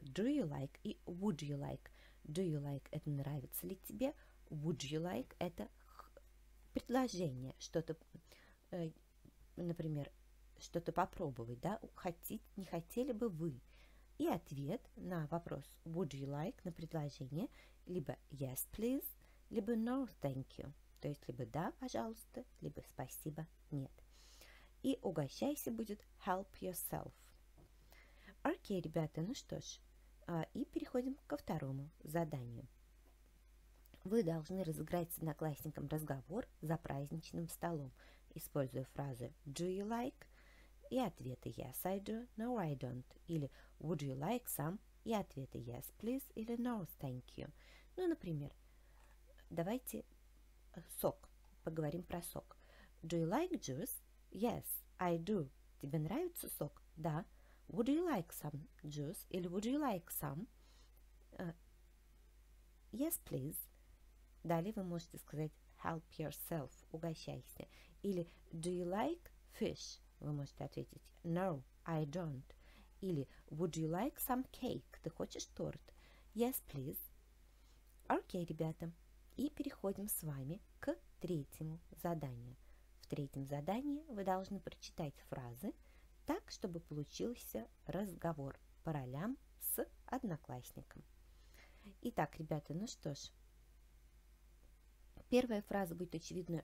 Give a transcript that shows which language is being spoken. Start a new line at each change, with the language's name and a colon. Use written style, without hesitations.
English: Do you like
Russian: и
English: would you like. Do you like
Russian: – это нравится ли тебе?
English: Would you like –
Russian: это предложение. Что-то, например, что-то попробовать, да? Хотите, не хотели бы вы? И ответ на вопрос
English: would you like,
Russian: на предложение, либо
English: yes, please,
Russian: либо
English: no, thank you.
Russian: То есть, либо да, пожалуйста, либо спасибо, нет. И угощайся будет
English: help yourself.
Russian: Окей, ребята, ну что ж, и переходим ко второму заданию. Вы должны разыграть с одноклассником разговор за праздничным столом, используя фразы
English: do you like,
Russian: и ответы
English: yes, I do, no, I don't.
Russian: Или
English: would you like some?
Russian: И ответы
English: yes, please,
Russian: или
English: no, thank you.
Russian: Ну, например, давайте сок. Поговорим про сок.
English: Do you like juice? Yes, I do.
Russian: Тебе нравится сок? Да.
English: Would you like some juice?
Russian: Или
English: would you like some? Yes, please.
Russian: Далее вы можете сказать
English: help yourself,
Russian: угощайся. Или
English: do you like fish?
Russian: Вы можете ответить
English: no, I don't.
Russian: Или
English: would you like some cake?
Russian: Ты хочешь торт?
English: Yes, please.
Russian: Окей, ребята. И переходим с вами к третьему заданию. В третьем задании вы должны прочитать фразы так, чтобы получился разговор по ролям с одноклассником. Итак, ребята, ну что ж. Первая фраза будет очевидно.